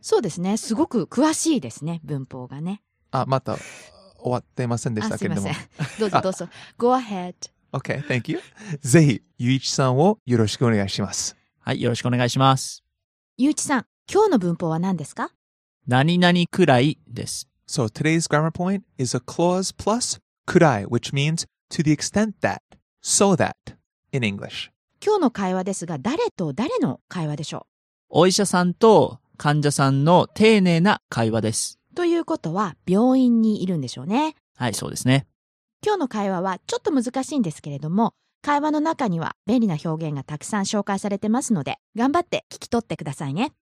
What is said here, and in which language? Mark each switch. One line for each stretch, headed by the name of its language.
Japanese: そうですね、すごく詳しいですね、文法がね。あ、また終わってませんでしたけれども。あ、すいません。どうぞどうぞ。
English: Go ahead Okay, thank you.
Japanese: ぜひ、ゆういちさんをよろしくお願いします。はい、よろしくお願いします。ゆういちさん、今日の文法は何ですか？何々くらいです。
English: So, today's grammar point is a clause plus くらい, which means to the extent that, so that, in English.
Japanese: 今日の会話ですが、誰と誰の会話でしょう？お医者さんと患者さんの丁寧な会話です。ということは、病院にいるんでしょうね。はい、そうですね。今日の会話はちょっと難しいんですけれども、会話の中には便利な表現がたくさん紹介されてますので、頑張って聞き取ってくださいね。